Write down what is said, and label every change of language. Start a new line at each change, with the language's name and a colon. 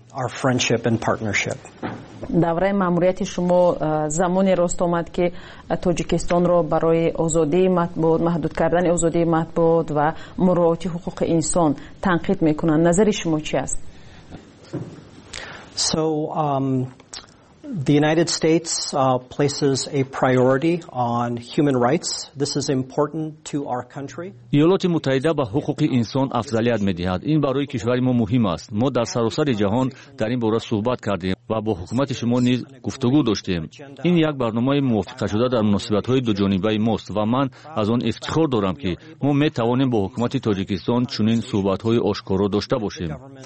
English: Our friendship and partnership.
Persian: دوره ماموریت شما زمانی راست آمد که تاجیکستان را برای آزادی مطبوعات، محدود کردن آزادی مطبوعات و مراعات حقوق انسان تنقید میکنند. نظر شما چی است؟
English: So The United States places a priority on human rights. This is important to our country.
Persian: ایالات متحده به حقوق انسان افضلیت می‌دهد. این برای کشور ما مهم است. ما در سراسر جهان در این باره صحبت کردیم و با حکومت شما نیز گفتگو داشتیم. این یک برنامه موافقه شده در مناسبت‌های دو جانبه ماست و من از آن افتخار دارم که ما می‌توانیم با حکومت تاجیکستان چنین صحبت‌های آشکارا داشته باشیم.